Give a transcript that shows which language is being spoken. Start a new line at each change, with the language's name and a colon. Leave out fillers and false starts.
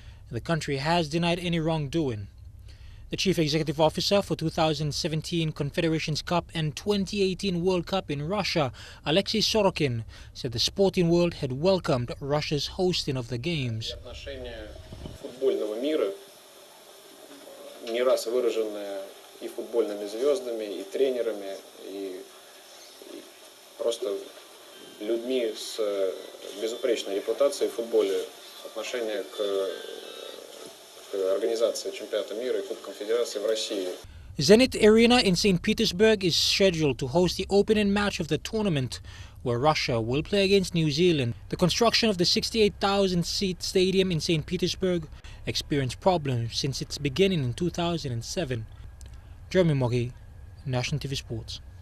English: The country has denied any wrongdoing. The chief executive officer for 2017 Confederations Cup and 2018 World Cup in Russia, Alexei Sorokin, said the sporting world had welcomed Russia's hosting of the games.
Russian: Не раз выраженные и футбольными звездами, и тренерами, и просто людьми с безупречной репутацией в футболе отношение к организации чемпионата мира и Кубка Федерации в России.
English: Zenit Arena in St. Petersburg is scheduled to host the opening match of the tournament, where Russia will play against New Zealand. The construction of the 68,000-seat stadium in St. Petersburg experienced problems since its beginning in 2007. Jeremy Moggi, National TV Sports.